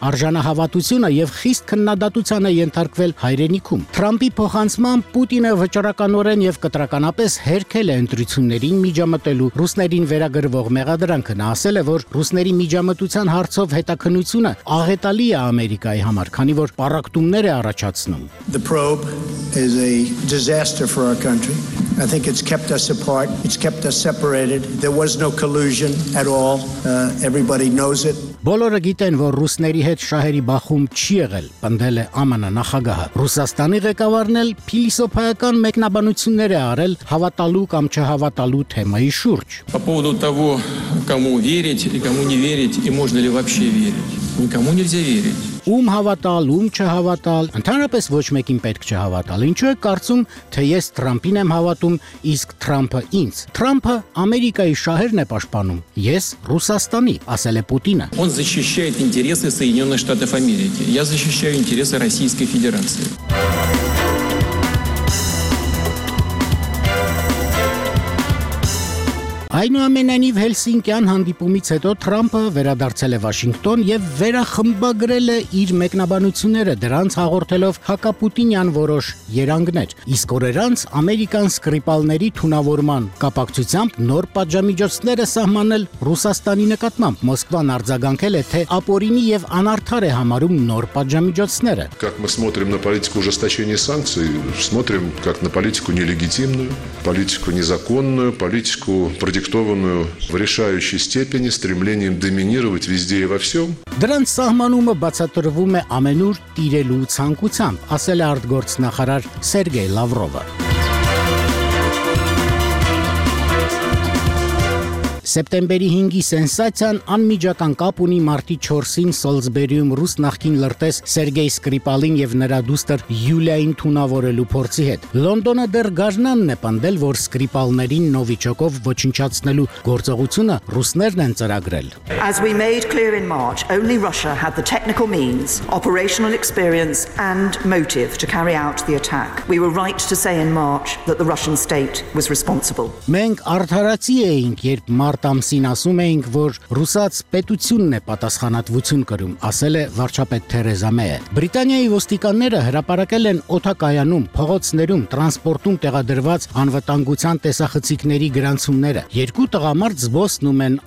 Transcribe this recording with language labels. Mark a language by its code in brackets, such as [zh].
[hy] արժանահավատությունը և խիստ քննադատության է ենթարկվել հայրենիքում։ Թրամփի փոխանցմամբ Պուտինը վճռականորեն և կտրականապես հերքել է ընտրություններին միջամտելու ռուսներին վերագրվել ող մեղադրանքը, նա ասել է, որ ռուսների միջամտության հարցով հետաքնությունը աղետալի է Ամերիկայի համար, քանի որ պարակտումներ է առաջացնում։ [en] The probe is a disaster for our country. I think it's kept us apart, it's kept us separated. There was no collusion at all. Everybody knows it. [hy] Բոլորը գիտեն, որ ռուսների հետ շահերի բախում չի եղել, պնդել է ԱՄՆ նախագահը։ Ռուսաստանի ղեկավարն էլ փիլիսոփայական մեկնաբանություններ է արել հավատալու կամ չհավատալու թեմայի շուրջ։ [ru] По поводу того, кому верить и кому не верить и можно ли вообще верить. Никому нельзя верить. [hy] Ում հավատալ, ում չհավատալ, ընդհանրապես ոչ մեկին պետք չհավատալ։ Ինչու է կարծում, թե ես Թրամփին եմ հավատում, իսկ Թրամփը ինձ։ Թրամփը Ամերիկայի շահերն է պաշտպանում, ես Ռուսաստանի, ասել է Պուտինը։ [ru] Он защищает интересы Соединённых Штатов Америки. Я защищаю интересы Российской Федерации. [hy] Այնուամենայնիվ Հելսինկյան հանդիպումից հետո Թրամփը վերադարձել է Վաշինգտոն և վերախմբագրել է իր մեկնաբանությունները, դրանց հաղորդելով հակապուտինյան որոշ երանգներ։ Իսկ օրեր անց ամերիկան սկրիպալների թունավորման կապակցությամբ նոր պատժամիջոցներ է սահմանել Ռուսաստանի նկատմամբ։ Մոսկվան արձագանքել է, թե ապօրինի և անարդար է համարում նոր պատժամիջոցները։ [ru] Как мы смотрим на политику ужесточения санкций, смотрим как на политику нелегитимную, политику незаконную, политику продиктованную в решающей степени стремлением доминировать везде и во всем. [hy] Դրանց սահմանումը բացատրվում է ամենուր տիրելու ցանկությամբ, ասել է արտգործնախարար Սերգեյ Լավրովը։ Սեպտեմբերի 5-ի սենսացիան անմիջական կապ ունի մարտի 4-ին Սոլզբերիում ռուս նախկին լրտես Սերգեյ Սկրիպալին և նրա դուստր Յուլիային թունավորելու փորձի հետ։ Լոնդոնը դեռ գաժնանն է պնդել, որ Սկրիպալներին Նովիչոկով ոչնչացնելու գործողությունը ռուսներն են ծրագրել։ [en] As we made clear in March, only Russia had the technical means, operational experience and motive to carry out the attack. We were right to say in March that the Russian state was responsible. [hy] Մենք արդարացի էինք, երբ Մարտ ամսին ասում էինք, որ ռուսաց պետությունն է պատասխանատվություն կրում, ասել է վարչապետ Թերեզա Մեյը։ Բրիտանիայի ոստիկանները հրապարակել են օդակայանում, փողոցներում, տրանսպորտում տեղադրված անվտանգության տեսախցիկների գրանցումները։ Երկու տղամարդ զբոսնում են,